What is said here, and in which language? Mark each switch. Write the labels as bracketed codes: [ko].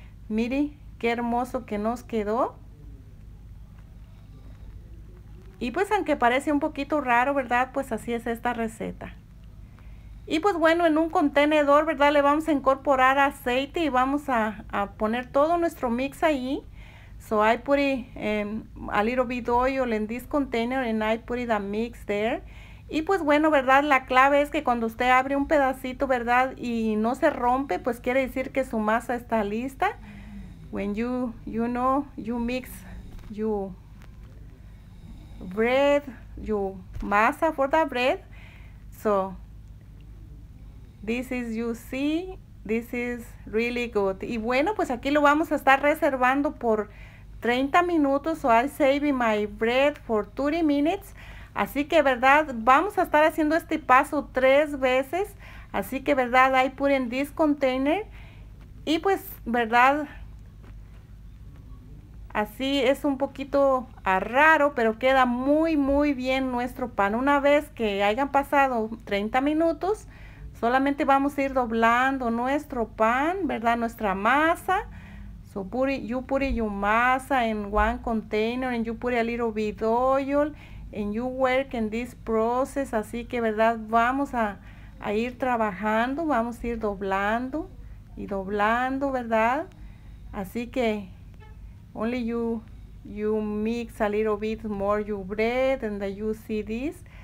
[es] Mire qué hermoso que nos quedó. Y pues aunque parece un poquito raro, ¿verdad? Pues así es esta receta. Y pues bueno, en un contenedor, ¿verdad? Le vamos a incorporar aceite y vamos a poner todo nuestro mix ahí. [en] So I put it in a little bit oil in this container and I put the mix there. [es] Y pues bueno, ¿verdad? La clave es que cuando usted abre un pedacito, ¿verdad? Y no se rompe, pues quiere decir que su masa está lista. [en] When you know, you mix your bread, your masa for the bread. So this is, you see, this is really good. [es] Y bueno, pues aquí lo vamos a estar reservando por 30 minutos. [en] So I'll save my bread for 30 minutes. [es] Así que, ¿verdad? Vamos a estar haciendo este paso 3 veces. Así que, ¿verdad? [en] I put in this container. [es] Y pues, ¿verdad? Así es un poquito raro, pero queda muy, muy bien nuestro pan. Una vez que hayan pasado 30 minutos, solamente vamos a ir doblando nuestro pan, ¿verdad? Nuestra masa. [en] So you put your masa in one container and you put a little bit oil and you work in this process. [es] Así que, ¿verdad? Vamos a ir trabajando, vamos a ir doblando y doblando, ¿verdad? Así que [en] only you mix a little bit more your bread and you see this.